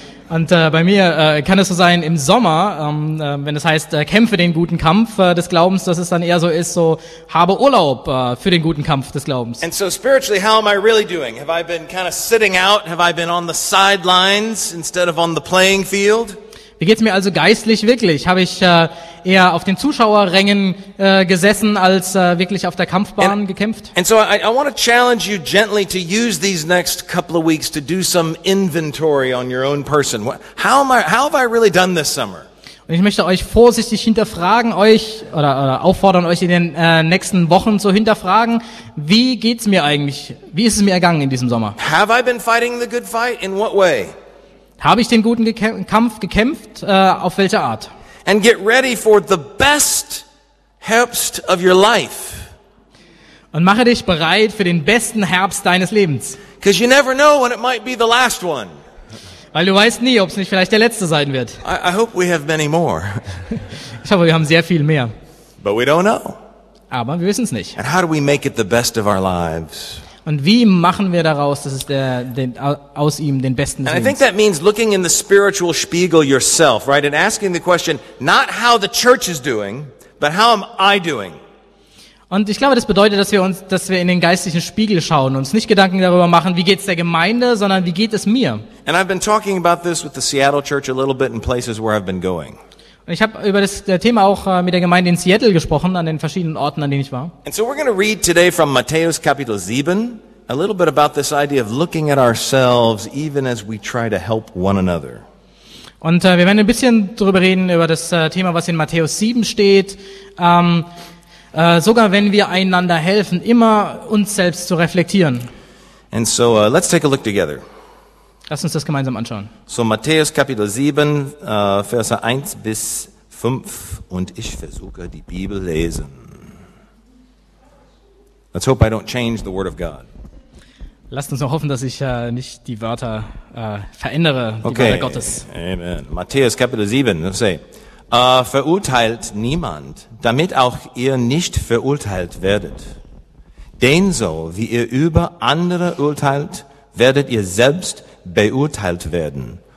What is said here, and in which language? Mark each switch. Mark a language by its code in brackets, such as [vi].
[de] Und bei mir kann es so sein, im Sommer, wenn es heißt, kämpfe den guten Kampf des Glaubens, dass es dann eher so ist, so habe Urlaub für den guten Kampf des Glaubens. [en] And so spiritually, how am I really doing? Have I been kind of sitting out? Have I been on the sidelines instead of on the playing field? [de] Wie geht's mir also geistlich wirklich? Habe ich eher auf den Zuschauerrängen gesessen, als wirklich auf der Kampfbahn gekämpft? [en] And so I want to challenge you gently to use these next couple of weeks to do some inventory on your own person. How have I really done this summer? [de] Und ich möchte euch vorsichtig hinterfragen, euch oder auffordern, euch in den nächsten Wochen zu hinterfragen, wie geht's mir eigentlich? Wie ist es mir ergangen in diesem Sommer? [en] Have I been fighting the good fight? In what way? [de] Habe ich den guten Kampf gekämpft? Auf welche Art? [en] And get ready for the best Herbst of your life. [de] Und mache dich bereit für den besten Herbst deines Lebens. [en] Because you never know when it might be the last one. [de] Weil du weißt nie, ob es nicht vielleicht der letzte sein wird. [en] I hope we have many more. [de] Ich hoffe, wir haben sehr viel mehr. [en] But we don't know. [de] Aber wir wissen es nicht. [en] And how do we make it the best of our lives? [de] Und wie machen wir daraus, dass es aus ihm den besten [en] Sinn? I think that means looking in the spiritual spiegel yourself, right, and asking the question, not how the church is doing, but how am I doing? [de] Und ich glaube, das bedeutet, dass wir in den geistlichen Spiegel schauen, uns nicht Gedanken darüber machen, wie geht's der Gemeinde, sondern wie geht es mir? [en] And I've been talking about this with the Seattle Church a little bit in places where I've been going. [de] Ich habe über das Thema auch mit der Gemeinde in Seattle gesprochen, an den verschiedenen Orten, an denen ich war. [en] And so we're going to read today from Matthäus Kapitel 7 a little bit about this idea of looking at ourselves even as we try to help one another. [de] Und wir werden ein bisschen darüber reden, über das Thema, was in Matthäus 7 steht, sogar wenn wir einander helfen, immer uns selbst zu reflektieren. [en] And so let's take a look together. [de] Lass uns das gemeinsam anschauen. So Matthäus Kapitel 7, Verse 1 bis 5 und ich versuche die Bibel lesen. [en] Let's hope I don't change the word of God. [de] Lasst uns noch hoffen, dass ich nicht die Wörter verändere, die [en] okay. [de] Wörter Gottes. [en] Amen. Matthäus Kapitel 7, let's say. [de] Verurteilt niemand, damit auch ihr nicht verurteilt werdet. Denn so, wie ihr über andere urteilt, werdet ihr selbst beurteilt werden.